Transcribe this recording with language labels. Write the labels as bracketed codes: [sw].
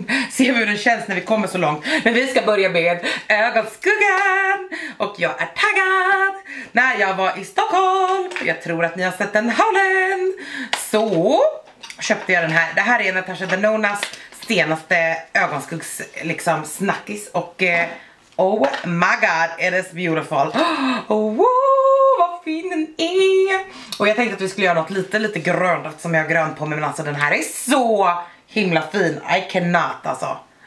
[sv] Ser vi hur den känns när vi kommer så långt. Men vi ska börja med ögonskuggan. Och jag är taggad. När jag var i Stockholm. Jag tror att ni har sett den hallen. Så köpte jag den här. Det här är Natasha Denonas senaste ögonskuggs liksom snackis. [en] Och oh my god, it is beautiful. [sv] Oh, wow, vad fin den är. Och jag tänkte att vi skulle göra något lite grönt som jag har grönt på mig, men alltså den här är så himla fin. [en] I cannot alltså.